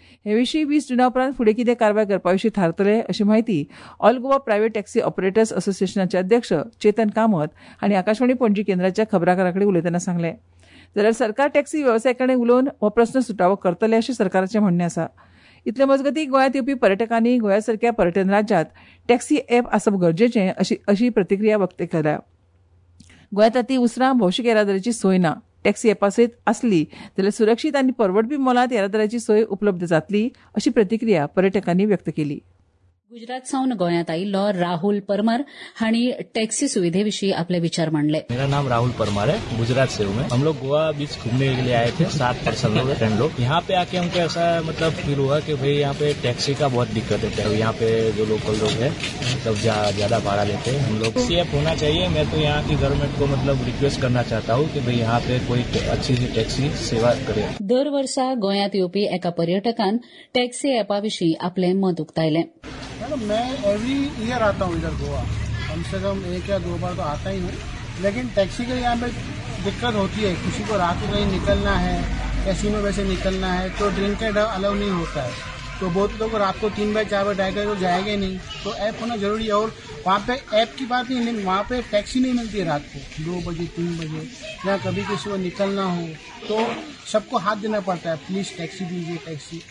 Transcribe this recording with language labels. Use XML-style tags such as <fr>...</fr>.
<gom>हे विशीं 20 जुना उपरांत फुडें कितें कारवाय करपा विशीं थारतले अशी माहिती all Goa private taxi operators असोसिएशनाचे अध्यक्ष चेतन कामत हांणी आकाशवाणी पणजी केंद्राच्या खबराकाराकडेन उलयतना सांगले. जाल्यार सरकार टॅक्सी वेवसायिकांनी उलोवन हो प्रस्न सुटावो करतले अशें सरकाराचें म्हणणें आसा. इतले मजगतीं गोंयांत येवपी पर्यटकांनी गोंया सारक्या पर्यटन राज्यांत टॅक्सी एप आसप गरजेचें अशी प्रतिक्रिया व्यक्त केल्या. गोंयांत आतां उसरां भौशीक येरादारीची सोय ना. टॅक्सी एपा सयत आसली जाल्यार सुरक्षीत आनी परवडपी मोलांत येरादाराची सोय उपलब्ध जातली अशी प्रतिक्रिया पर्यटकांनी व्यक्त केली. गुजरात सावन गोंयात आयिल्लो राहुल परमार हांणी टॅक्सी सुविधे विशीं आपले विचार मांडले.</gom> <hi>मेरा नाम राहुल परमार है, गुजरात से हूं मैं. हम लोग गोवा बीच घूमने के लिए आए थे 7 पर्सन लोग फ्रेंड लोग. यहां पे आके हमको ऐसा मतलब फील हुआ कि भाई यहां पे टैक्सी का बहुत दिक्कत है. यहां पे जो लोकल लोग है मतलब ज्यादा भाड़ा लेते हैं. हम लोग सी एप होना चाहिए. मैं तो यहां की गवर्नमेंट को मतलब रिक्वेस्ट करना चाहता हूं कि भाई यहां पे कोई अच्छी सी टैक्सी सेवा करे.</hi> <gom>दर वर्षा गोयात येवपी एका पर्यटकान टैक्सी एपा विशीं आपले मत उक्तायले.</gom> <hi>मैं</hi> <en>every year</en> <hi>आता हूँ इधर गोवा, कम से कम एक या दो बार तो आता ही हूँ. लेकिन टैक्सी के यहाँ पे दिक्कत होती है. किसी को रात में कहीं निकलना है, कैसीनो वैसे निकलना है, तो ड्रिंक एंड अलाउ नहीं होता है. तो बहुत लोग रात को 3 बजे 4 बजे ड्राइवर तो जाएगा नहीं, तो ऐप होना जरूरी है। और वहाँ पे ऐप की बात नहीं, वहाँ पे टैक्सी नहीं मिलती है रात को 2 बजे 3 बजे, या कभी किसी को निकलना हो तो सबको हाथ देना पड़ता है, प्लीज टैक्सी दीजिए टैक्सी।</hi>